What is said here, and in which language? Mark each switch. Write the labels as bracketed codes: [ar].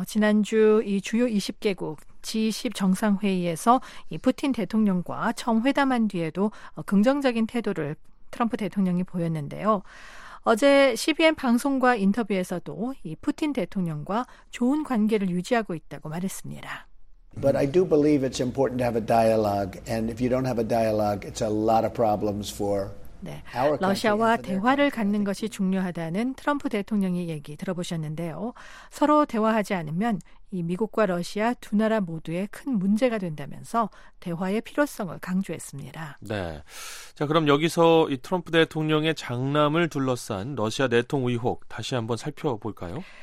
[ko] 지난주 이 주요 20개국 G20 정상회의에서 이 푸틴 대통령과 처음 회담한 뒤에도 긍정적인 태도를 트럼프 대통령이 보였는데요. 어제 CBN 방송과 인터뷰에서도 이 푸틴 대통령과 좋은 관계를 유지하고 있다고 말했습니다. [en] But I do believe it's important to have a dialogue. And if you don't have a dialogue, it's a lot of problems for our country. [ko] 러시아와 대화를 갖는 것이 중요하다는 트럼프 대통령의 얘기 들어보셨는데요. 서로 대화하지 않으면 이 미국과 러시아 두 나라 모두의 큰 문제가 된다면서 대화의 필요성을 강조했습니다. 네. 자, 그럼 여기서 이 트럼프 대통령의 장남을 둘러싼 러시아 내통 의혹 다시 한번 살펴볼까요?